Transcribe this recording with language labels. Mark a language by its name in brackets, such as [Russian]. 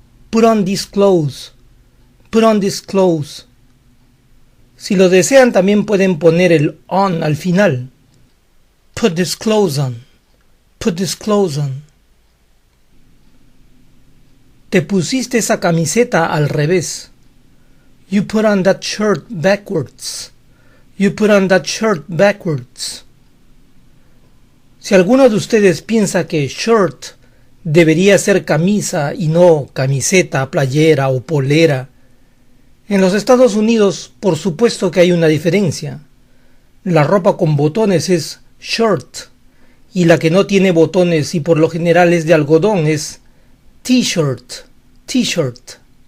[English] Put on these clothes. Put on these clothes. [Spanish] Si lo desean, también pueden poner el on al final. [English] Put this clothes on. Put this clothes on. [Spanish] Te pusiste esa camiseta al revés. [English] You put on that shirt backwards. You put on that shirt backwards. [Spanish] Si alguno de ustedes piensa que shirt debería ser camisa y no camiseta, playera o polera, en los Estados Unidos, por supuesto que hay una diferencia. La ropa con botones es shirt, y la que no tiene botones y por lo general es de algodón es t-shirt, t-shirt.